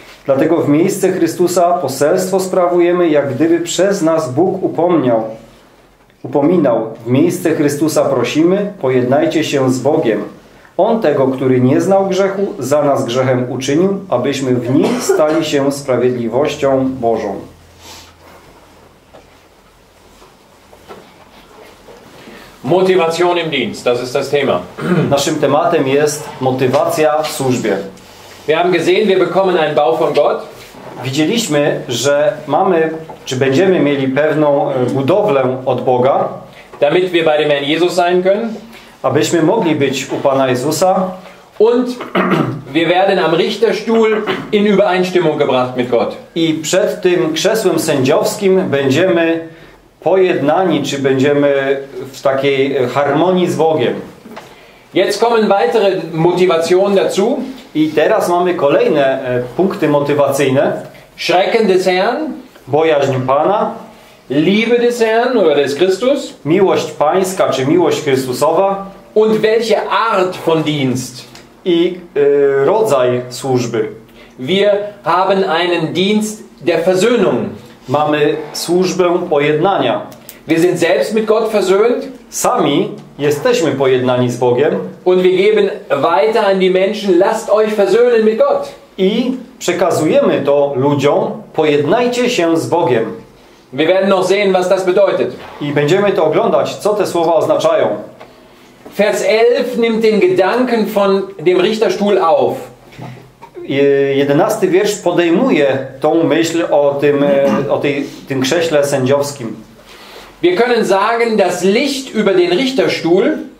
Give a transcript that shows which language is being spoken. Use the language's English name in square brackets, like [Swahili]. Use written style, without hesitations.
[Polish] Dlatego w miejsce Chrystusa poselstwo sprawujemy, jak gdyby przez nas Bóg upominał. W miejsce Chrystusa prosimy, pojednajcie się z Bogiem. On tego, który nie znał grzechu, za nas grzechem uczynił, abyśmy w nim stali się sprawiedliwością Bożą. [German] Motivation im Dienst, das ist das Thema. [Polish] Naszym tematem jest motywacja w służbie. [German] Wir haben gesehen, wir bekommen einen Bau von Gott. [Polish] Widzieliśmy, że mamy, czy będziemy mieli pewną budowlę od Boga. [German] Damit wir bei dem Herrn Jesus sein können. [Polish] Abyśmy mogli być u Pana Jezusa. [German] Und wir werden am Richterstuhl in Übereinstimmung gebracht mit Gott. [Polish] I przed tym krzesłem sędziowskim będziemy pojednani, czy będziemy w takiej harmonii z Bogiem. [German] Jetzt kommen weitere Motivationen dazu. [Polish] I teraz mamy kolejne punkty motywacyjne. [German] Schrecken des Herrn. [Polish] Bojaźń Pana. [German] Liebe des Herrn oder des Christus. [Polish] Miłość Pańska, czy miłość Chrystusowa. [German] Und welche Art von Dienst. [Polish] I rodzaj służby. [German] Wir haben einen Dienst der Versöhnung. [Polish] Mamy służbę pojednania. [German] Wir sind selbst mit Gott versöhnt. [Polish] Sami jesteśmy pojednani z Bogiem. [German] Und wir geben weiter an die Menschen, lasst euch versöhnen mit Gott. [Polish] I przekazujemy to ludziom, pojednajcie się z Bogiem. [German] Wir werden noch sehen, was das bedeutet. [Polish] I będziemy to oglądać, co te słowa oznaczają. [German] Vers 11 nimmt den Gedanken von dem Richterstuhl auf. [Polish] 11 wiersz podejmuje tą myśl o tym, tym krześle sędziowskim. [German] Wir können sagen, das Licht über den Richterstuhl.